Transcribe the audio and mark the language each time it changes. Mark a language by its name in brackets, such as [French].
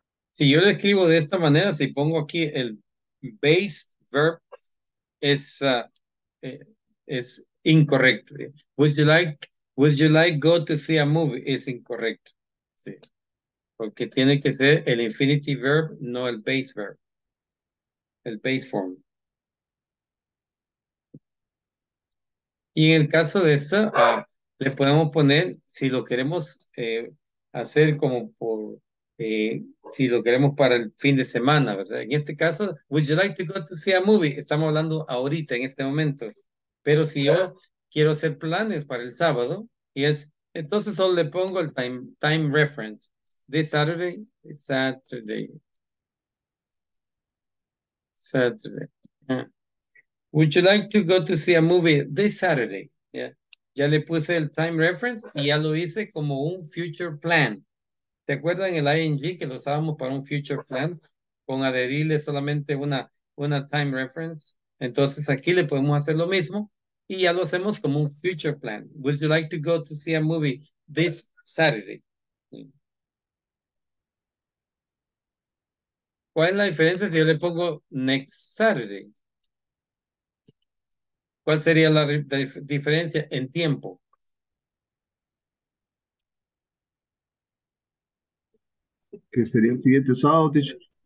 [Spanish] Si yo lo escribo de esta manera, si pongo aquí el base verb, es incorrecto. [English] Would you like go to see a movie? [Spanish] Es incorrecto. Sí. Porque tiene que ser el infinitive verb, no el base verb. El base form. Y en el caso de esto, le podemos poner, si lo queremos hacer como por si lo queremos para el fin de semana, ¿verdad? En este caso, [English] would you like to go to see a movie? [Spanish] Estamos hablando ahorita, en este momento. Pero si yo quiero hacer planes para el sábado, y es entonces solo le pongo el time reference. [English] This Saturday, Saturday. Saturday. Would you like to go to see a movie this Saturday? Yeah. [Spanish] Ya le puse el time reference y ya lo hice como un future plan. ¿Te acuerdan el ING que lo usábamos para un future plan? Con adherirle solamente una time reference. Entonces aquí le podemos hacer lo mismo y ya lo hacemos como un future plan. [English] Would you like to go to see a movie this Saturday? [Spanish] ¿Cuál es la diferencia si yo le pongo [English] next Saturday? [Spanish] ¿Cuál sería la diferencia en tiempo? Que sería el siguiente sábado, teacher.